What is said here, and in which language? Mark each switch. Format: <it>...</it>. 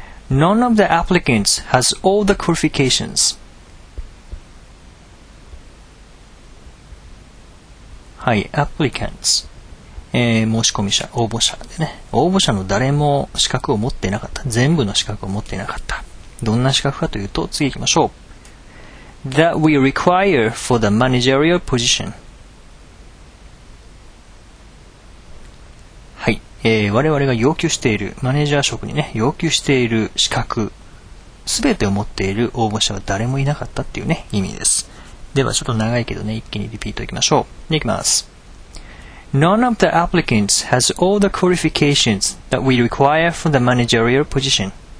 <en>None of the applicants has all the qualifications.</en> <ja>はい、applicants、申し込み者、応募者でね、応募者の誰も資格を持っていなかった、全部の資格を持っていなかった。どんな資格かというと、次行きましょう。</ja> <en>That we require for the managerial position。</en> <ja>はい、我々が要求しているマネージャー職にね、要求している資格、すべてを持っている応募者は誰もいなかったっていうね、意味です。ではちょっと長いけどね、一気にリピートいきましょう。でいきます。</ja> <en>None of the applicants has all the qualifications that we require for the managerial position。</en>